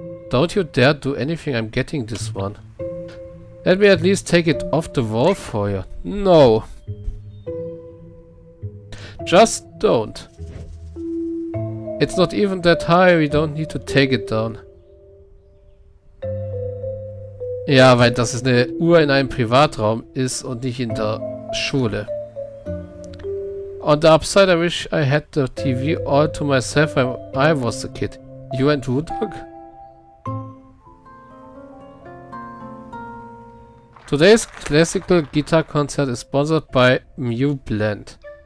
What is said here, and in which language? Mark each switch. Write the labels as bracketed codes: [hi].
[en] Don't you dare do anything, I'm getting this one. Let me at least take it off the wall for you. No. Just don't. It's not even that high, we don't need to take it down. [de] Ja, weil das ist eine Uhr in einem Privatraum ist und nicht in der Schule. [en] On the upside, I wish I had the TV all to myself when I was a kid. You and Woodrock? Today's classical guitar concert is sponsored by Mew Blend.